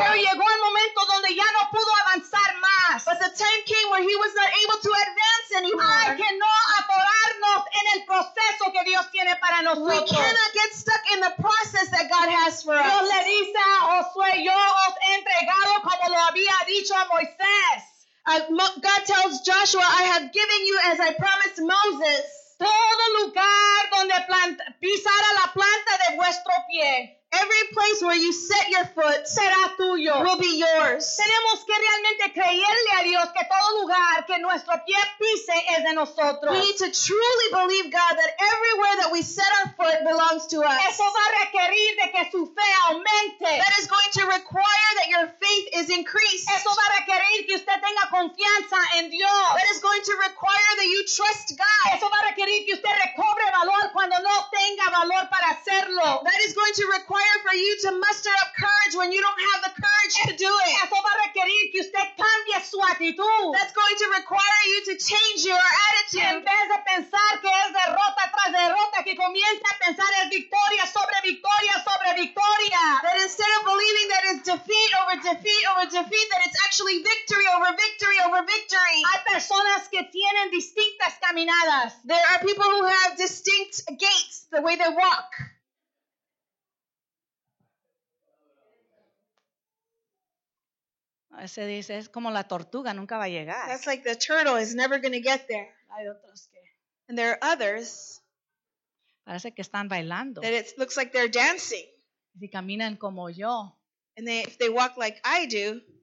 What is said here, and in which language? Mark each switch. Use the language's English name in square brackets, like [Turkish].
[Spanish] Pero llegó el momento donde ya no pudo avanzar más. [English] But the time came where he was not able to advance anymore. [Spanish] Hay que no atorarnos en el proceso que Dios tiene para nosotros. [English] We cannot get stuck in the process that God has for us. [Spanish] Dios le dice a Josué, yo os he entregado como lo había dicho a Moisés. [English] God tells Joshua, I have given you as I promised Moses. [Spanish] Todo lugar donde pisara la planta de huevo. nuestro pie. [English] Every place where you set your foot [Spanish] será tuyo. [English] Will be yours. [Spanish] Tenemos que realmente creerle a Dios que todo lugar que nuestro pie pise es de nosotros. [English] We need to truly believe God that everywhere that we set our foot belongs to us. [Spanish] Eso va a requerir de que su fe aumente. [English] That is going to require that your faith is increased. [Spanish] Eso va a requerir que usted tenga confianza en Dios. [English] That is going to require that you trust God. [Spanish] Eso va a requerir que usted recobre valor cuando no tenga valor para hacerlo. [English] That is going to require for you to muster up courage when you don't have the courage to do it. [Spanish] Eso va a requerir que usted cambie su actitud. [English] That's going to require you to change your attitude. [Spanish] En vez de pensar que es derrota tras derrota, que comience a pensar es victoria sobre victoria sobre victoria. [English] That instead of believing that it's defeat over defeat over defeat, that it's actually victory over victory over victory. [Spanish] Hay personas que tienen distintas caminadas. [English] There are people who have distinct gaits, the way they walk. [Spanish] Se dice, es como la tortuga, nunca va a llegar. [English] That's like the turtle is never going to get there. [Spanish] Hay otros que... [English] And there are others. [Spanish] Parece que están bailando. [English] That it looks like they're dancing. [Spanish] Si caminan como yo. [English] And they, if they walk like I do.